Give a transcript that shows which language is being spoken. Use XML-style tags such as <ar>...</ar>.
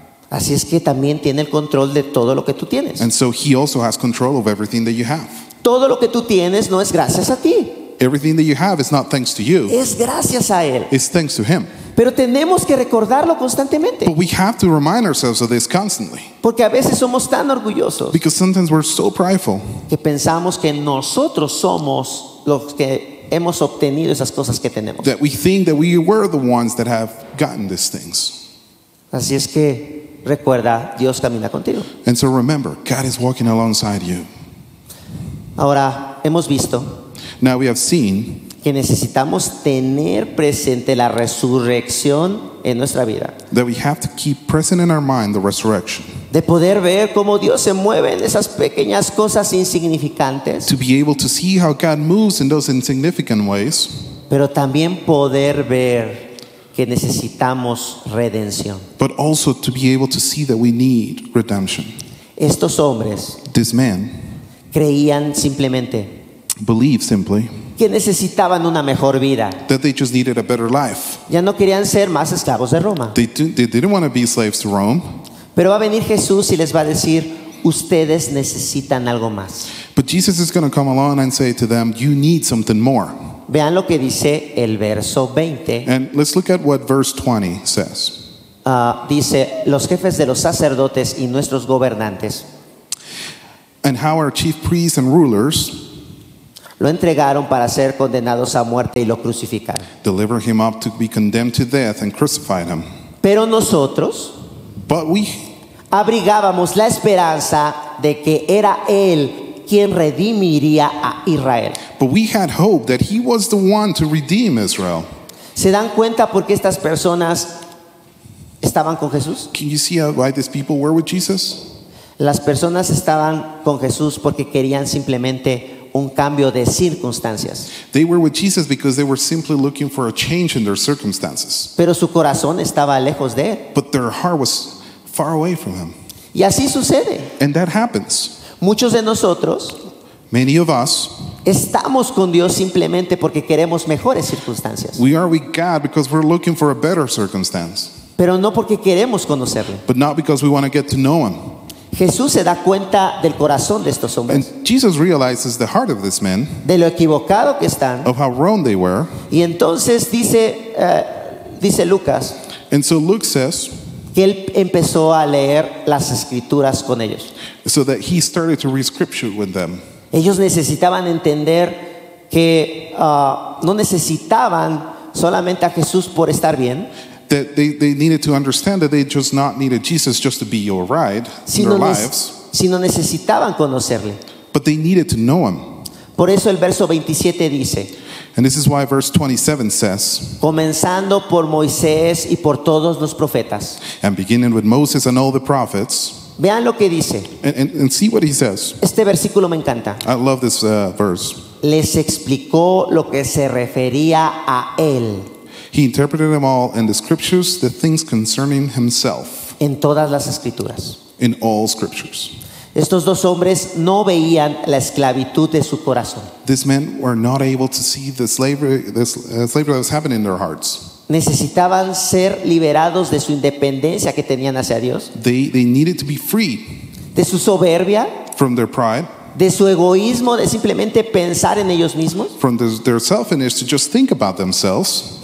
<es>Así es que también tiene el control de todo lo que tú tienes.</es> <en>And so he also has control of everything that you have.</en> <es>Todo lo que tú tienes no es gracias a ti.</es> <en>Everything that you have is not thanks to you.</en> <es>Es gracias a él.</es> <en>It's thanks to him.</en> <es>Pero tenemos que recordarlo constantemente.</es> <en>But we have to remind ourselves of this constantly.</en> <es>Porque a veces somos tan orgullosos.</es> <en>Because sometimes we're so prideful.</en> <es>Que pensamos que nosotros somos los que hemos obtenido esas cosas que tenemos.</es> <en>That we think that we were the ones that have gotten these things.</en> <es>Así es que recuerda, Dios camina contigo.</es> <en>And so remember, God is walking alongside you.</en> <es>Ahora hemos visto.</es> <en>Now we have seen.</en> <es>Que necesitamos tener presente la resurrección en nuestra vida.</es> <en>That we have to keep present in our mind the resurrection.</en> <es>De poder ver cómo Dios se mueve en esas pequeñas cosas insignificantes.</es> <en>To be able to see how God moves in those insignificant ways.</en> <es>Pero también poder ver que necesitamos redención.</es> <en>But also to be able to see that we need redemption.</en> <es>Estos hombres,</es> <en>this man,</en> <es>creían simplemente,</es> <en>believed simply,</en> <es>que necesitaban una mejor vida.</es> <en>That they just needed a better life.</en> <es>Ya no querían ser más esclavos de Roma.</es> <en>They didn't want to be slaves to Rome.</en> <es>Pero va a venir Jesús y les va a decir, ustedes necesitan algo más.</es> <en>But Jesus is going to come along and say to them, you need something more.</en> <es>Vean lo que dice el verso 20.</es> <en>And let's look at what verse 20 says.</en> <es>Dice, los jefes de los sacerdotes y nuestros gobernantes.</es> <en>And how our chief priests and rulers.</en> <es>Lo entregaron para ser condenados a muerte y lo crucificaron.</es> <en>Deliver him up to be condemned to death and crucified him.</en> <es>Pero nosotros.</es> <en>But we.</en> <es>Abrigábamos la esperanza de que era él quien redimiría a Israel.</es> <en>But we had hope that he was the one to redeem Israel.</en> <es>¿Se dan cuenta por qué estas personas estaban con Jesús?</es> <en>Can you see why these people were with Jesus?</en> <es>Las personas estaban con Jesús porque querían simplemente un cambio de circunstancias.</es> <en>They were with Jesus because they were simply looking for a change in their circumstances.</en> <es>Pero su corazón estaba lejos de él.</es> <en>But their heart was far away from him.</en> <es>Y así sucede.</es> <en>And that happens.</en> <es>Muchos de nosotros,</es> <en>many of us,</en> <es>estamos con Dios simplemente porque queremos mejores circunstancias.</es> <en>We are with God because we're looking for a better circumstance.</en> <es>Pero no porque queremos conocerle.</es> <en>But not because we want to get to know him.</en> <es>Jesús se da cuenta del corazón de estos hombres.</es> <en>And Jesus realizes the heart of this man.</en> <es>De lo equivocado que están.</es> <en>Of how wrong they were.</en> <es>Y entonces dice Lucas.</es> <en>And so Luke says.</en> <es>Que él empezó a leer las escrituras con ellos.</es> <en>So that he started to read scripture with them.</en> <es>Ellos necesitaban entender que no necesitaban solamente a Jesús por estar bien.</es> <en>That they needed to understand that they just not needed Jesus just to be all right in their lives.</en> <es>Sino necesitaban conocerle.</es> <en>But they needed to know him.</en> <es>Por eso el verso 27 dice.</es> <en>And this is why verse 27 says.</en> <es>Comenzando por Moisés y por todos los profetas.</es> <en>And beginning with Moses and all the prophets.</en> <es>Vean lo que dice.</es> <en>And see what he says.</en> <es>Este versículo me encanta.</es> <en>I love this verse.</en> <es>Les explicó lo que se refería a él.</es> <en>He interpreted them all in the scriptures, the things concerning himself.</en> <es>En todas las escrituras.</es> <en>In all scriptures.</en> <es>Estos dos hombres no veían la esclavitud de su corazón.</es> <en>These men were not able to see the slavery that was happening in their hearts.</en> <es>Necesitaban ser liberados de su independencia que tenían hacia Dios.</es> <en>They needed to be free.</en> <es>De su soberbia.</es> <en>From their pride.</en> <es>De su egoísmo, de simplemente pensar en ellos mismos.</es> <en>From their selfishness to just think about themselves.</en>